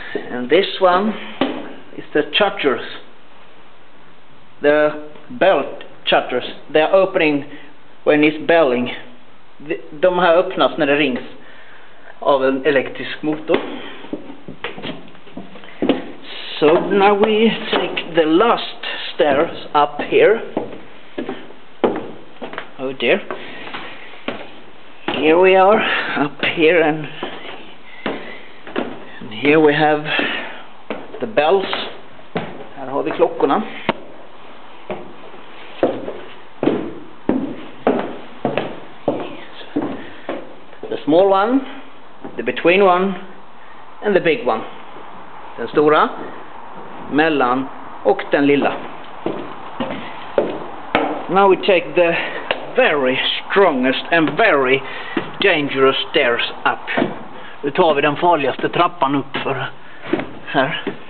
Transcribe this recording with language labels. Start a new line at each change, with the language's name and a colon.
English: And this one is the chargers. The bell chargers. They are opening when it's belling.
Swedish: De har öppnats när det rings av en elektrisk motor.
English: So now we take the last stairs up here. Oh dear. Here we are up here, and here we have the bells.
Swedish: Här har vi klockorna.
English: The small one, the between one, and the big one.
Swedish: Den stora, mellan och den lilla.
English: Now we take the very strongest and very dangerous stairs up.
Swedish: Nu tar vi den farligaste trappan upp för här.